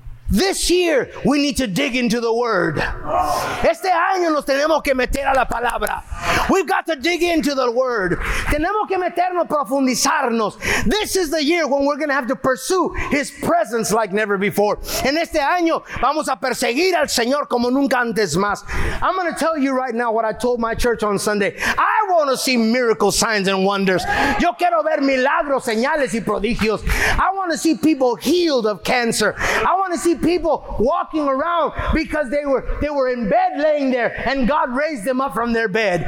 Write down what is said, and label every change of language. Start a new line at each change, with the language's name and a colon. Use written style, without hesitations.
English: This year, we need to dig into the Word.
Spanish: Este año nos tenemos que meter a la palabra.
English: We've got to dig into the Word.
Spanish: Tenemos que meternos, profundizarnos.
English: This is the year when we're going to have to pursue His presence like never before.
Spanish: En este año, vamos a perseguir al Señor como nunca antes más.
English: I'm going to tell you right now what I told my church on Sunday. I want to see miracles, signs, and wonders.
Spanish: Yo quiero ver milagros, señales, y prodigios.
English: I want to see people healed of cancer. I want to see people walking around because they were in bed laying there and God raised them up from their bed.